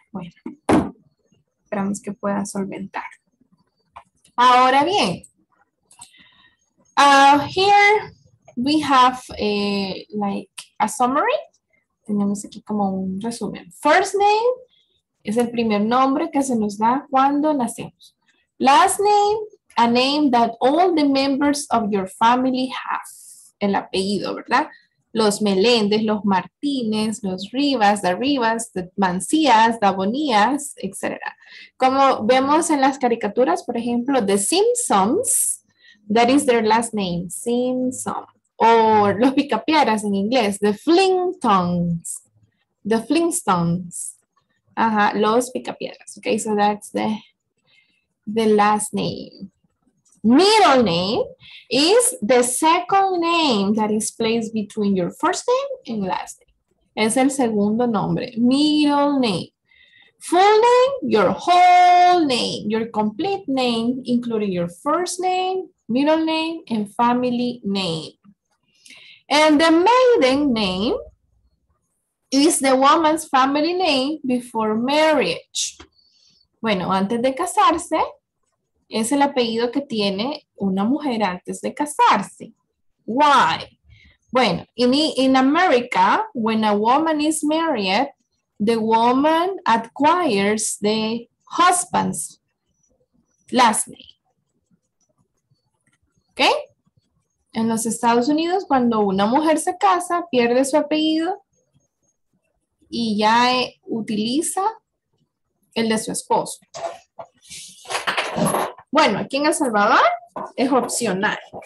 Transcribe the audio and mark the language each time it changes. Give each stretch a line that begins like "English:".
Spanish: Bueno, esperamos que pueda solventar. Ahora bien,
English: here we have a, like a summary.
Spanish: Tenemos aquí como un resumen. First name es el primer nombre que se nos da cuando nacemos.
English: Last name, a name that all the members of your family have.
Spanish: El apellido, ¿verdad? Los Meléndez, los Martínez, los Rivas, the Rivas, the Mancías, the Bonías, etc. Como vemos en las caricaturas, por ejemplo,
English: the Simpsons, that is their last name, Simpson.
Spanish: O los Picapiedras en inglés, the Flintstones, the Flintstones. Ajá, los Picapiedras.
English: Okay, so that's the last name. Middle name is the second name that is placed between your first name and last name.
Spanish: Es el segundo nombre.
English: Middle name. Full name, your whole name, your complete name, including your first name, middle name, and family name. And the maiden name is the woman's family name before marriage.
Spanish: Bueno, antes de casarse, es el apellido que tiene una mujer antes de casarse.
English: Why? Bueno, in America, when a woman is married, the woman acquires the husband's last name. ¿Okay?
Spanish: En los Estados Unidos, cuando una mujer se casa, pierde su apellido y ya utiliza el de su esposo. Bueno, aquí en El Salvador es opcional.